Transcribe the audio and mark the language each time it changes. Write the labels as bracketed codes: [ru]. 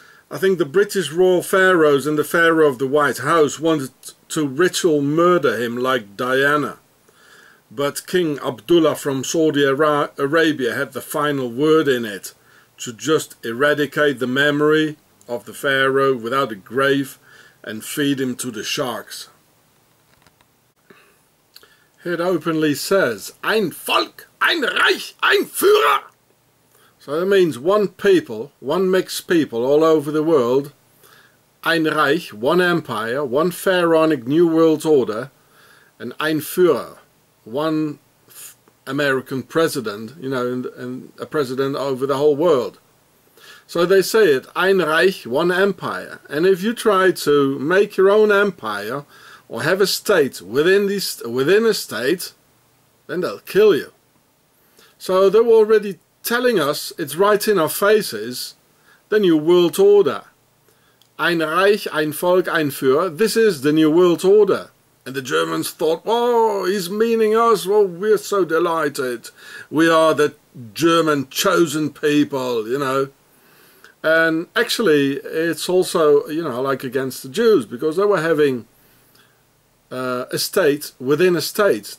[en] I think the British royal pharaohs and the pharaoh of the White House wanted to ritual murder him like Diana. But King Abdullah from Saudi Arabia had the final word in it, to just eradicate the memory of the pharaoh without a grave and feed him to the sharks. It openly says, [de] ein Volk, ein Reich, ein Führer! [en] So that means one people, one mixed people all over the world, [de] ein Reich, [en] one empire, one pharaonic new world order, and [de] ein Führer, [en] one American president, you know, and a president over the whole world. So they say it, [de] ein Reich, [en] one empire. And if you try to make your own empire or have a state within a state, then they'll kill you. So they're already telling us, it's right in our faces, the new world order. [de] Ein Reich, ein Volk, ein Führer. [en] This is the new world order. And the Germans thought, oh, he's meaning us. Well, we're so delighted. We are the German chosen people, you know. And actually, it's also, you know, like against the Jews, because they were having a state within a state.